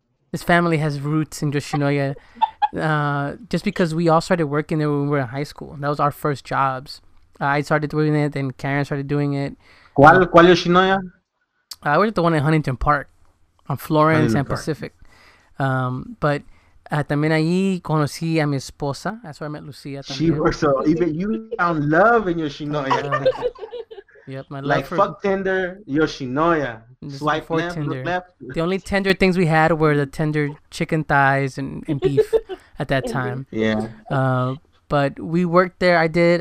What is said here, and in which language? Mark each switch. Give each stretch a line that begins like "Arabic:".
English: This family has roots in Yoshinoya. just because we all started working there when we were in high school. That was our first jobs. I started doing it, then Karen started doing it.
Spanish: ¿Cuál Yoshinoya?
English: I worked at the one in Huntington Park on Florence Huntington and Park. Pacific. But
Spanish: también ahí conocí a mi esposa.
English: That's where I met Lucia.
Spanish: También.
English: She works so even you found love in Yoshinoya. Yep, my like, love. Like, fuck Tinder, Yoshinoya. Swipe for left, Tinder. Left. The only tender things we had were the tender chicken thighs and beef at that time. Yeah. But we worked there. I did.